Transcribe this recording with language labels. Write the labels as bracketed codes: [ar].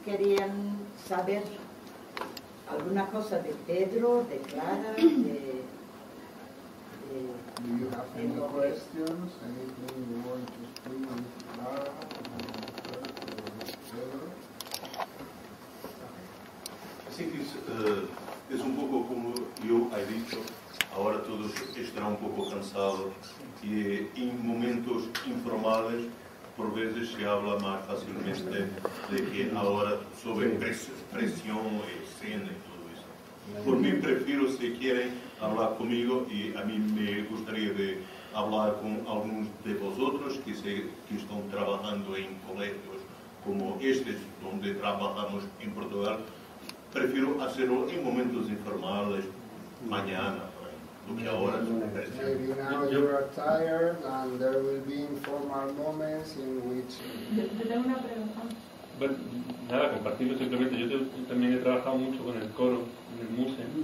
[es] ¿Querían saber alguna cosa de Pedro, de Clara, de [en] Do you have any questions? Anything you want to speak with Clara, Pedro? I think it's [es] es un poco como yo he dicho, ahora todos estarán un poco cansados y en momentos informales por veces se habla más fácilmente de que ahora sobre presión, escena y todo eso. Por mí prefiero, si quieren, hablar conmigo, y a mí me gustaría de hablar con algunos de vosotros que están trabajando en colegios como este, donde trabajamos en Portugal. Prefiero hacerlo en momentos informales, mañana. [en] Maybe now you are tired and there will be informal moments in which... [es] Bueno, nada, compartirlo simplemente. Yo también he trabajado mucho con el coro, en el MUSE.